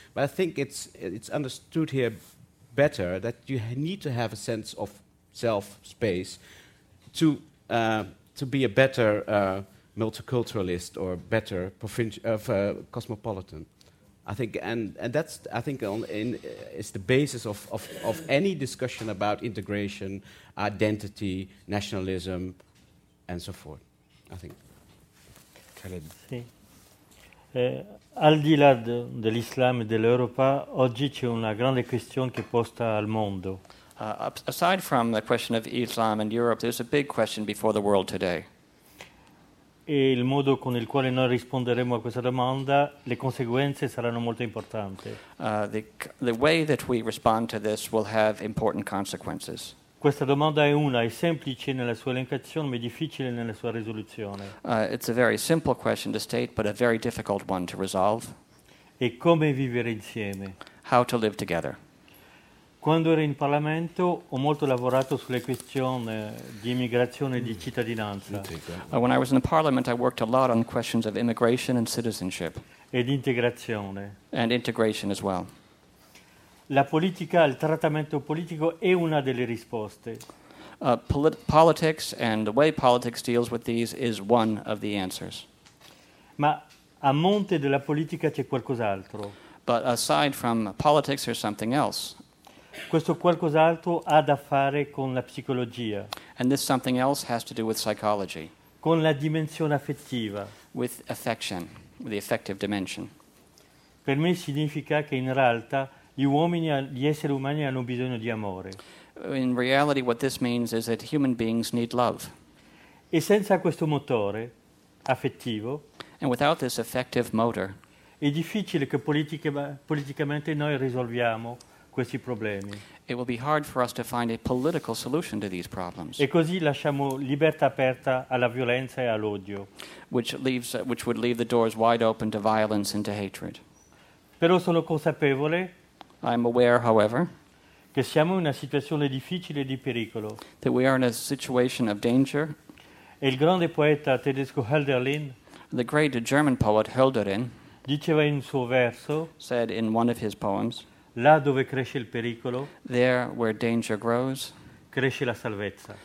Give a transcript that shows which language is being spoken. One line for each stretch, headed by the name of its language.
English: But I think it's understood here better that you need to have a sense of self-space to be a better multiculturalist or better cosmopolitan. I think, and that's, I think, is the basis of any discussion about integration, identity, nationalism, and so forth, I think. Khaled.
Italian: Sì. Al di là dell'Islam e dell'Europa, oggi c'è una grande questione che posta al mondo.
English: Aside from the question of Islam and Europe, there's a big question before the world today.
Italian: E il modo con il quale noi risponderemo a questa domanda, le conseguenze saranno molto importanti.
English: The way that we respond to this will have important consequences.
Italian: Questa domanda è una, è semplice nella sua elencazione, ma è difficile nella sua risoluzione.
English: It's a very simple question to state, but a very difficult one to resolve.
Italian: E come vivere insieme?
English: How to live together.
Italian: Quando ero in Parlamento ho molto lavorato sulle questioni di immigrazione e di cittadinanza.
English: When I was in the Parliament I worked a lot on questions of immigration and citizenship.
Italian: Ed integrazione.
English: And integration as well.
Italian: La politica, il trattamento politico è una delle risposte.
English: Politics and the way politics deals with these is one of the answers.
Italian: Ma a monte della politica c'è qualcos'altro.
English: But aside from politics there's something else.
Italian: Questo qualcos'altro ha da fare con la psicologia.
English: And this something else has to do with psychology.
Italian: Con la dimensione affettiva.
English: With affection, the affective dimension.
Italian: Per me significa che in realtà gli uomini, gli esseri umani hanno bisogno di amore.
English: In reality what this means is that human beings need love.
Italian: E senza questo motore affettivo.
English: And without this affective motor.
Italian: È difficile che politicamente noi risolviamo questi problemi.
English: It will be hard for us to find a political solution to these problems.
Italian: E così lasciamo libertà aperta alla violenza e all'odio.
English: Which would leave the doors wide open to violence and to hatred.
Italian: Però sono consapevole.
English: I'm aware, however,
Italian: che siamo in una situazione difficile di pericolo.
English: That we are in a situation of danger.
Italian: E il grande poeta tedesco Hölderlin,
English: the great German poet Hölderlin,
Italian: diceva in un suo verso,
English: said in one of his poems,
Italian: là dove cresce il pericolo,
English: there where danger grows,
Italian: cresce la salvezza.